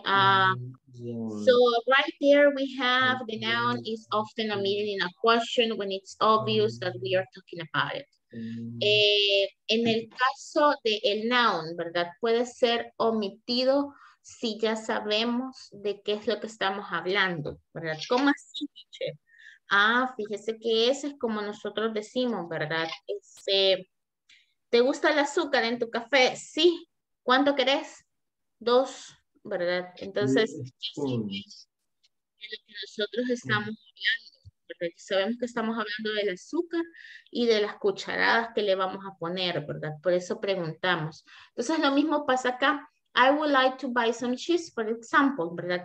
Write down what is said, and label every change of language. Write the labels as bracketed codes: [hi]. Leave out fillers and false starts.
[en] So, right there we have the noun is often omitted in a question when it's obvious that we are talking about it. [es] En el caso de el noun, ¿verdad? Puede ser omitido si ya sabemos de qué es lo que estamos hablando, ¿verdad? ¿Cómo así, teacher? Ah, fíjese que ese es como nosotros decimos, ¿verdad? ¿Te gusta el azúcar en tu café? Sí. ¿Cuánto querés? 2, ¿verdad? Entonces, ¿qué es lo que nosotros estamos hablando? ¿verdad? Sabemos que estamos hablando del azúcar y de las cucharadas que le vamos a poner, ¿verdad? Por eso preguntamos. Entonces, lo mismo pasa acá. [en] I would like to buy some cheese, for example, ¿verdad?